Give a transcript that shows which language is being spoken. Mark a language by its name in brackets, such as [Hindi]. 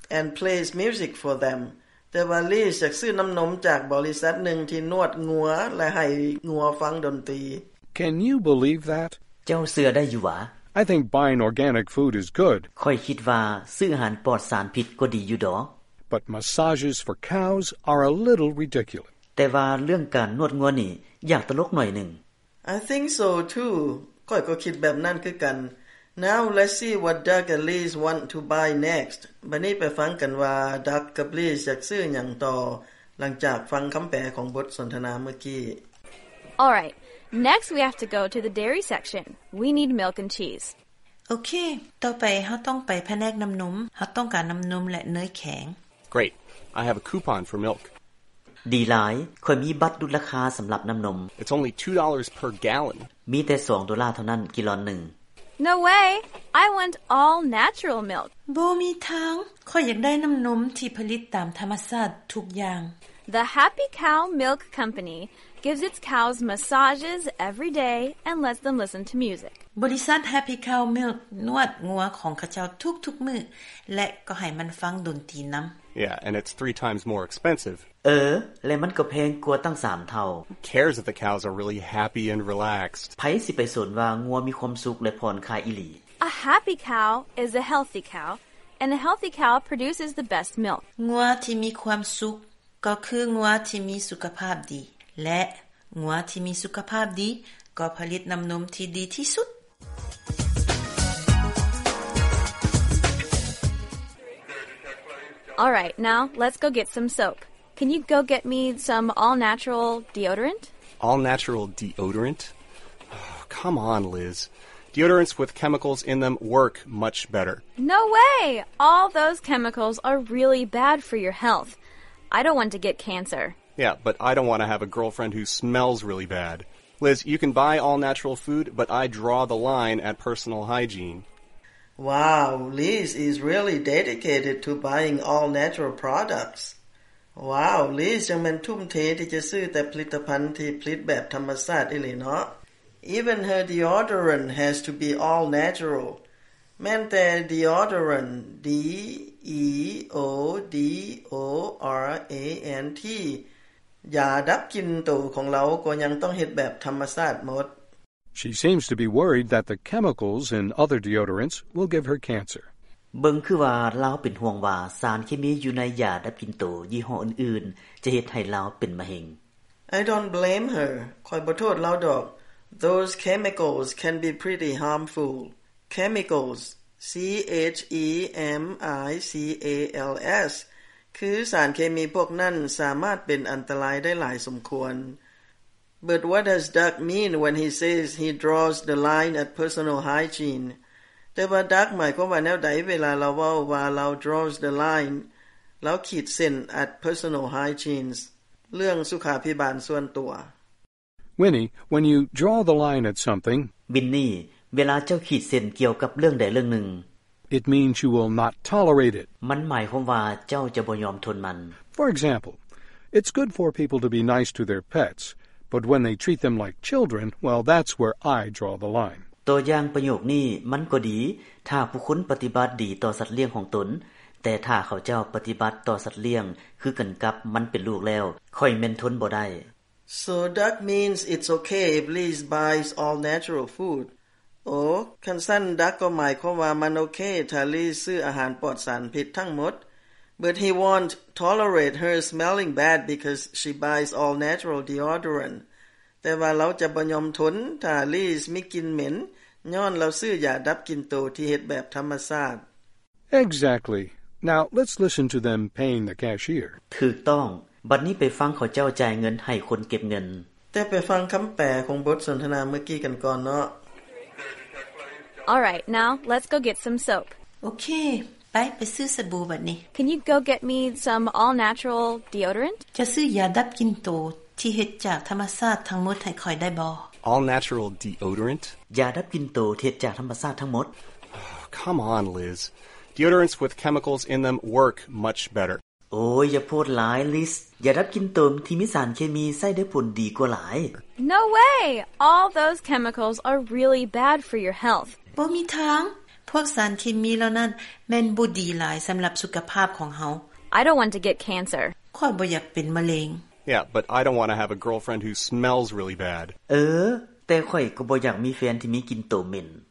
[English] And plays music for them. [Northeastern Thai] แต่ว่าลีสอยากซื้อน้ำนมจากบริษัทหนึ่งที่นวดงัวและให้งัวฟังดนตรี [English] Can you believe that? [Northeastern Thai] เจ้าเสือได้อยู่วะ [English] I think buying organic food is good. [Northeastern Thai] ค่อยคิดว่าซื้ออาหารปลอดสารพิษก็ดีอยู่ดอก [English] But massages for cows are a little ridiculous. [Northeastern Thai] แต่ว่าเรื่องการนวดงัวนี่อยากตลกหน่อยหนึ่ง [English] I think so too. [Northeastern Thai] ค่อยก็คิดแบบนั้นคือกัน [English] Now let's see what Doug and Liz want to buy next. [Northeastern Thai] บัดนี้ไปฟังกันว่า Doug กับ Liz อยากซื้อหยังต่อหลังจากฟังคําแปลของบทสนทนาเมื่อกี้ [English] All right. Next we have to go to the dairy section. We need milk and cheese. Okay. [Northeastern Thai] ต่อไปเราต้องไปแผนกน้ํานมเราต้องการน้ํานมและเนยแข็ง [English] Great. I have a coupon for milk. [Northeastern Thai] ดีหลายคอยมีบัตรลดราคาสําหรับน้ํานม [English] It's only $2 per gallon. [Northeastern Thai] มีแต่2ดอลลาร์เท่านั้นกิโลนึง [English] No way! I want all natural milk. [Northeastern Thai] บ่มีทางข้อยอยากได้น้ำนมที่ผลิตตามธรรมชาติทุกอย่าง [English] The Happy Cow Milk Company gives its cows massages every day and lets them listen to music. [Northeastern Thai] บริษัท Happy Cow Milk นวดงัวของข้าเจ้าทุกๆมื้อและก็ให้มันฟังดนตรีนำ [English] Yeah, and it's 3 times more expensive. [Northeastern Thai] และมันก็แพงกว่าตั้ง3เท่า [English] Who cares if the cows are really happy and relaxed? [Northeastern Thai] ไผสิไปสนว่างัวมีความสุขและผ่อนคลายอีหลี [English] A happy cow is a healthy cow, and a healthy cow produces the best milk. [Northeastern Thai] งัวที่มีความสุขก็คืองัวที่มีสุขภาพดีและงัวที่มีสุขภาพดีก็ผลิตน้ำนมที่ดีที่สุด [English] All right, now let's go get some soap. Can you go get me some all-natural deodorant? All-natural deodorant? Oh, come on, Liz. Deodorants with chemicals in them work much better. No way! All those chemicals are really bad for your health. I don't want to get cancer. Yeah, but I don't want to have a girlfriend who smells really bad. Liz, you can buy all-natural food, but I draw the line at personal hygiene. Wow, Liz is really dedicated to buying all natural products. [Northeastern Thai] Wow, Liz ยังมันทุ่มเทที่จะซื้อแต่ผลิตภัณฑ์ที่ผลิตแบบธรรมชาติอีหลีเนาะ [English] Even her deodorant has to be all natural. [Northeastern Thai] แม้แต่ deodorant D E O D O R A N T ยาดับกลิ่นตัวของเราก็ยังต้องเฮ็ดแบบธรรมชาติหมด [English] She seems to be worried that the chemicals in other deodorants will give her cancer. [Northeastern Thai] เบิ่งคือว่าเราเป็นห่วงว่าสารเคมีอยู่ในยาดับกลิ่นตัวยี่ห้ออื่นๆจะเฮ็ดให้เราเป็นมะเร็ง [English] I don't blame her. [Northeastern Thai] ข้อยบ่โทษเราดอก [English] Those chemicals can be pretty harmful. Chemicals, C-H-E-M-I-C-A-L-S, [Northeastern Thai] คือสารเคมีพวกนั้นสามารถเป็นอันตรายได้หลายสมควร [English] But what does Doug mean when he says he draws the line at personal hygiene? [Northeastern Thai] แต่ว่า Doug หมายความว่าแนวใดเวลาเราว่าว่าเรา [English] draws the line [Northeastern Thai] เราขีดเส้น [English] at personal hygiene [Northeastern Thai] เรื่องสุขาภิบาลส่วนตัว [English] Winnie, when you draw the line at something [Northeastern Thai] Winnie, เวลาเจ้าขีดเส้นเกี่ยวกับเรื่องใดเรื่องหนึ่ง [English] it means you will not tolerate it. [Northeastern Thai] มันหมายความว่าเจ้าจะบ่ยอมทนมัน [English] For example, it's good for people to be nice to their pets, but when they treat them like children, well, that's where I draw the line. [Northeastern Thai] ตัวอย่างประโยคนี้มันก็ดีถ้าผู้คนปฏิบัติดีต่อสัตว์เลี้ยงของตนแต่ถ้าเขาเจ้าปฏิบัติต่อสัตว์เลี้ยงคือกันกับมันเป็นลูกแล้วค่อยแม่นทนบ่ได้ [English] So that means it's okay if Liz buys all natural food. [Northeastern Thai] โอ้คันสั้นดักก็หมายความว่ามันโอเคถ้าลีซื้ออาหารปลอดสารพิษทั้งหมด [English] But he won't tolerate her smelling bad because she buys all natural deodorant [Northeastern Thai] แต่ว่าเราจะบ่ยอมทนถ้าลีซมีกลิ่นเหม็นย้อนเราซื้อยาดับกลิ่นโตที่เฮ็ดแบบธรรมชาติ [English] Exactly Now let's listen to them paying the cashier [Northeastern Thai] ถูกต้องบัดนี้ไปฟังเขาเจ้าจ่ายเงินให้คนเก็บเงิน แต่ไปฟังคําแปลของบทสนทนาเมื่อกี้กันก่อนเนาะ [English] All right, now let's go get some soap. [Northeastern Thai] Okay, ไปซื้อสบู่บัดนี้ [English] Can you go get me some all natural deodorant? [Northeastern Thai] จะซื้อยาดับกลิ่นโตที่เฮ็ดจากธรรมชาติทั้งหมดให้ข่อยได้บ่ [English] All natural deodorant? [Northeastern Thai] ยาดับกลิ่นโตที่เฮ็ดจากธรรมชาติทั้งหมด [English] Come on, Liz. Deodorants with chemicals in them work much better. [Northeastern Thai] โอ้ยอย่าพูดหลาย Liz. ยาดับกลิ่นโตที่มีสารเคมีใส่ได้ผลดีกว่าหลาย [English] No way. All those chemicals are really bad for your health. [Northeastern Thai] บ่มีทางพวกสารเคมีเหล่านั้นแม่นบ่ดีหลายสําหรับสุขภาพของเฮา [English] I don't want to get cancer [Northeastern Thai] ข้อยบ่อยากเป็นมะเร็ง [English] Yeah but I don't want to have a girlfriend who smells really bad [Northeastern Thai] เออแต่ข้อยก็บ่อยากมีแฟนที่มีกลิ่นโตเหม็น